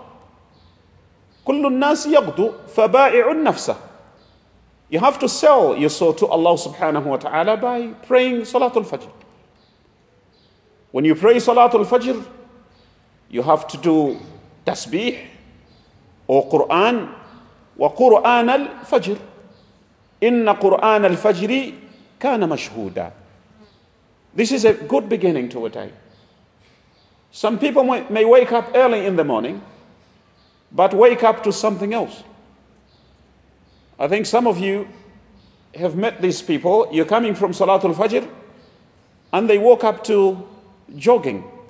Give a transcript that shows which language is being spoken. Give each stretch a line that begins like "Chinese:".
Arabic: كل الناس يغدو فبائع النفس.
English: You have to sell your soul to Allah subhanahu wa ta'ala by praying Salatul Fajr. When you pray Salatul Fajr, you have to do tasbih or Qur'an.
Arabic: وقرآن الفجر إن قرآن الفجر كان مشهودا.
English: This is a good beginning to a day. Some people may wake up early in the morning, but wake up to something else. I think some of you have met these people. You're coming from Salatul Fajr, and they woke up to jogging.